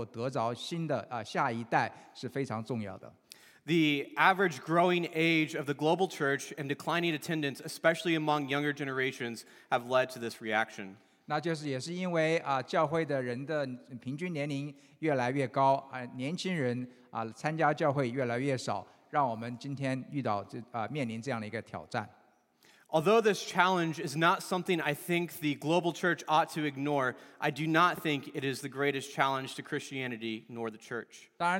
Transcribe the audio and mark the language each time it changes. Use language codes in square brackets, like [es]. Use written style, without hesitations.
[zh] 那因为世俗化越来越流行，所以说对于教会不仅是CBCGB，而且是普世的教会来说，我们要能够得着新的下一代是非常重要的。 [en] The average growing age of the global church and declining attendance, especially among younger generations, have led to this reaction. [zh] 那就是也是因为教会的人的平均年龄越来越高，年轻人参加教会越来越少，让我们今天遇到面临这样的一个挑战。 [en] Although this challenge is not something I think the global church ought to ignore, I do not think it is the greatest challenge to Christianity nor the church.